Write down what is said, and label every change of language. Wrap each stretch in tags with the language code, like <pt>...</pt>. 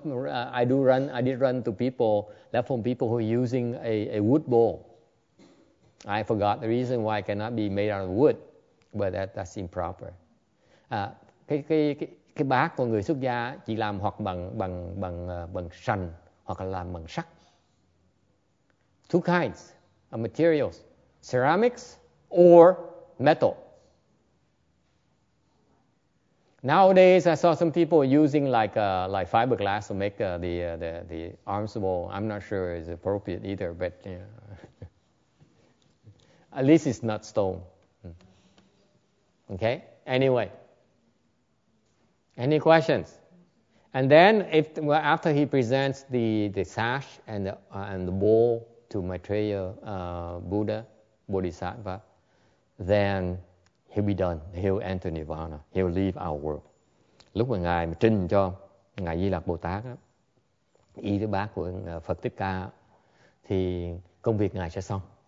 <en>I did run to people, left home people who are using a wood bowl. I forgot the reason why it cannot be made out of wood, but that's improper.</en> <vi>Cái bát của người xuất gia chỉ làm hoặc bằng sành hoặc là làm bằng sắt.</vi> <en>Two kinds of materials: ceramics or metal. Nowadays, I saw some people using like fiberglass to make the arms bowl. I'm not sure it's appropriate either, but you know. At least it's not stone. Okay. Anyway, any questions? And then after he presents the sash and the bowl to Maitreya Buddha Bodhisattva, then he'll be done. He'll enter Nirvana. He'll leave our world.</en> <vi>Lúc mà ngài trình cho ngài Di Lặc Bồ Tát đó, y cái bát của Phật Thích Ca, thì công việc ngài sẽ xong.</vi>